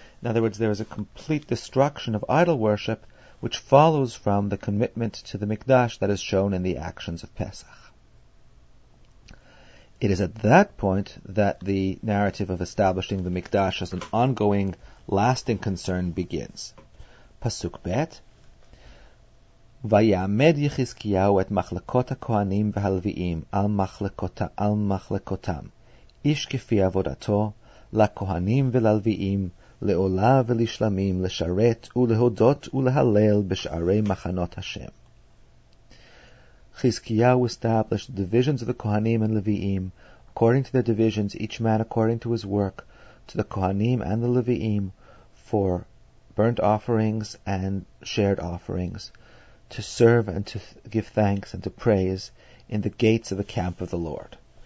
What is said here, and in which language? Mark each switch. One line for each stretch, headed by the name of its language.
English: In other words, there is a complete destruction of idol worship which follows from the commitment to the Mikdash that is shown in the actions of Pesach. It is at that point that the narrative of establishing the Mikdash as an ongoing, lasting concern begins. Pasuk Bet.
Hebrew: ויעמד יחזקיהו את מחלקות הכהנים והלוויים על מחלקותם, איש כפי עבודתו, לכהנים וללוויים, לעולה ולשלמים, לשרת ולהודות ולהלל בשערי מחנות השם.
English: חזקיהו established the divisions of the כהנים and לוויים, according to their divisions, each man according to his work, to the כהנים and the לוויים, for burnt offerings and shared offerings, to serve and to give thanks and to praise in the gates of the camp of the Lord.